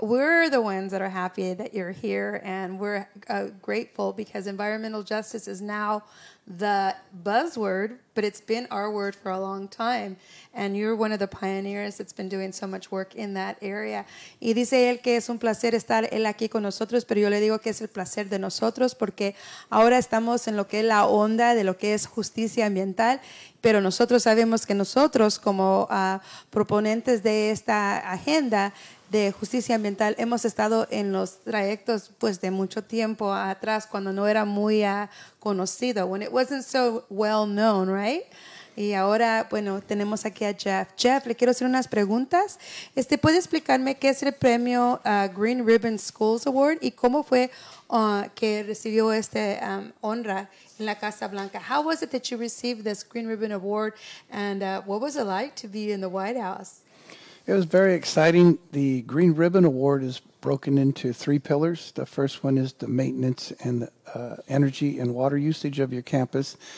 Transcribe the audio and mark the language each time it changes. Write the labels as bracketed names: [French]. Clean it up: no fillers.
[English] We're the ones that are happy that you're here, and we're grateful because environmental justice is now the buzzword, but it's been our word for a long time, and you're one of the pioneers that's been doing so much work in that area. [Spanish] Y dice él que es un placer estar él aquí con nosotros, pero yo le digo que es el placer de nosotros porque ahora estamos en lo que es la onda de lo que es justicia ambiental, pero nosotros sabemos que nosotros, como proponentes de esta agenda de justicia ambiental, hemos estado en los trayectos pues de mucho tiempo atrás cuando no era muy conocido, [English] when it wasn't so well known, right? [Spanish] Y ahora, bueno, tenemos aquí a Jeff. Jeff, le quiero hacer unas preguntas. Este, ¿puede explicarme qué es el premio Green Ribbon Schools Award y cómo fue que recibió este honra en la Casa Blanca? [English] How was it that you received this Green Ribbon Award and what was it like to be in the White House? It was very exciting. The Green Ribbon Award is broken into three pillars. The first one is the maintenance and energy and water usage of your campus.